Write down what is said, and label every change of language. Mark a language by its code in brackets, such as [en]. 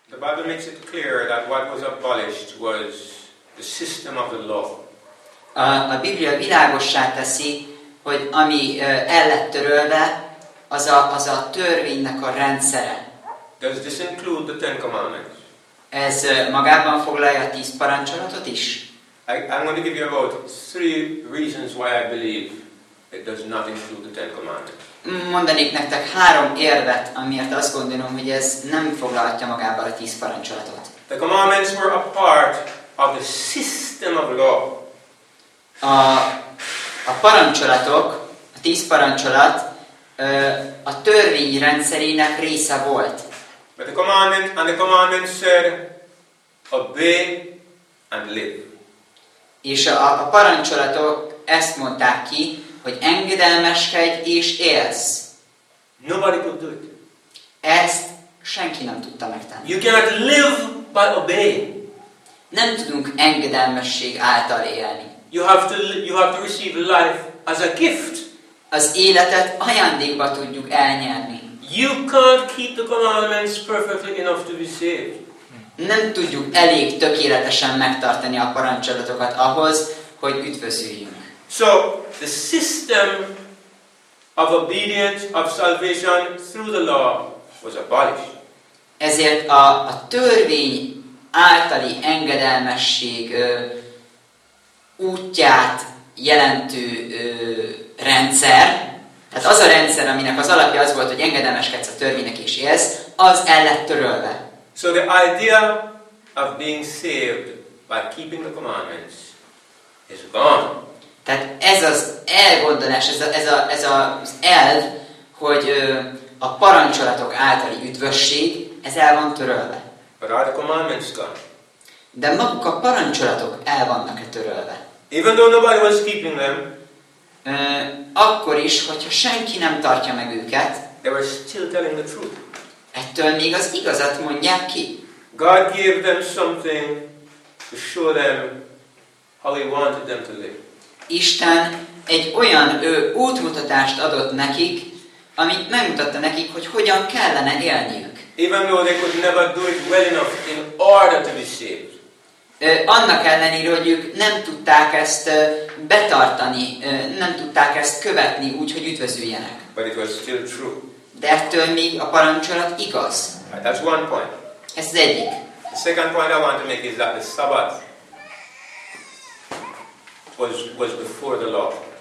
[en] Bible makes it clear that what was abolished was the system of the law. [hu] A Biblia világossá teszi, hogy ami el lett törölve, az a törvénynek a rendszere. [en] Does this include the Ten Commandments? [hu] Ez magában foglalja a tíz parancsolatot is. [en] I'm going to give you about three reasons why I believe it does not include the Ten Commandments. [hu] Mondanék nektek három érvet, amiért azt gondolom, hogy ez nem foglalhatja magába a tíz parancsolatot. [en] The commandments were a part of the system of law. [hu] A parancsolatok, a tíz parancsolat a törvényrendszerének része volt. [en] But the commandment and the commandment said, obey and live. [hu] És a parancsolatok ezt mondták ki, hogy engedelmeskedj és élsz. [en] Nobody could do it. [hu] Ezt senki nem tudta megtenni. [en] You cannot live by obeying. [hu] Nem tudunk engedelmesség által élni. [en] You have to receive life as a gift. [hu] Az életet ajándékba tudjuk elnyerni. [en] You can't keep the commandments perfectly enough to be saved. [hu] Nem tudjuk elég tökéletesen megtartani a parancsolatokat ahhoz, hogy üdvözüljünk. [en] So the system of obedience of salvation through the law was abolished. [hu] Ezért a törvény általi engedelmesség útját jelentő rendszer, tehát az a rendszer, aminek az alapja az volt, hogy engedelmeskedsz a törvénynek és élsz, az el lett törölve. [en] So the idea of being saved by keeping the commandments is gone. [hu] Tehát ez az elgondolás, ez az elv, hogy a parancsolatok általi üdvösség, ez el van törölve. [en] But are the commandments gone? [hu] De maguk a parancsolatok el vannak törölve. [en] Even though nobody was keeping them, [hu] akkor is, hogyha senki nem tartja meg őket, [en] they were still telling the truth. [hu] Ettől még az igazat mondják ki. [en] God gave them something to show them how he wanted them to live. [hu] Isten egy olyan útmutatást adott nekik, amit megmutatta nekik, hogy hogyan kellene élniük. [en] Even though they could never do it well enough in order to be saved. [hu] Annak ellenére, hogy ők nem tudták ezt betartani, nem tudták ezt követni úgy, hogy üdvözüljenek. [en] But it was still true. [hu] De ettől még a parancsolat igaz. [en] Right, that's one point. [hu] Ez az egyik. [en] The second point I want to make is that the Sabbath was before the law.